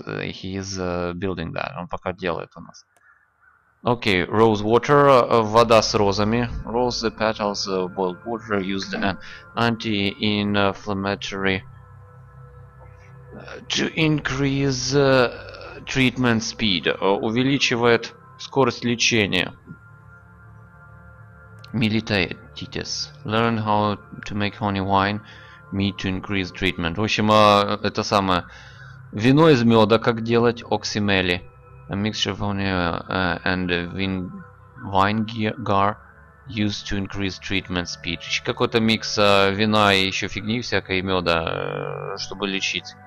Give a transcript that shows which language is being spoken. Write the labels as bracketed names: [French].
[English] He is building that. [Russian] Он пока делает у нас. Окей, okay, [English] rose water, [Russian] вода с розами. [English] Rose petals, boiled water, used an anti-inflammatory to increase treatment speed. [Russian] Увеличивает скорость лечения. Militatitis. [English] Learn how to make honey wine, meat to increase treatment. [Russian] В общем, это самое. Вино из меда, как делать оксимели. [English] A mixture of honey and wine gar used to increase treatment speed. [Russian] Какой-то микс вина и еще фигни всякой, и меда, чтобы лечить.